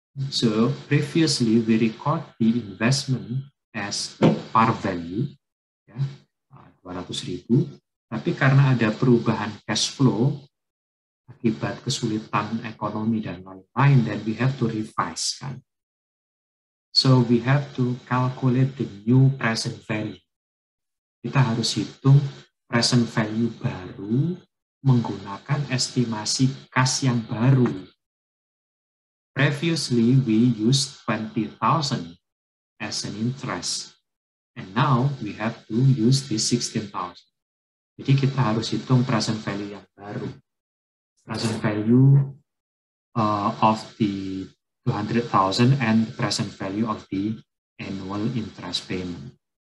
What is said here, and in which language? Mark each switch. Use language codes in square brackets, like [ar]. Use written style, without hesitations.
[en] So previously we record the investment as par value, ya, 200,000. [id] Tapi karena ada perubahan cash flow akibat kesulitan ekonomi dan lain-lain, [en] then we have to revise, [id] kan? [en] So we have to calculate the new present value. [id] Kita harus hitung present value baru menggunakan estimasi kas yang baru. [en] Previously we used 20,000 as an interest, and now we have to use this 16,000. [id] Jadi kita harus hitung present value yang baru. [en] Present value of the 200,000 and present value of the annual interest payment.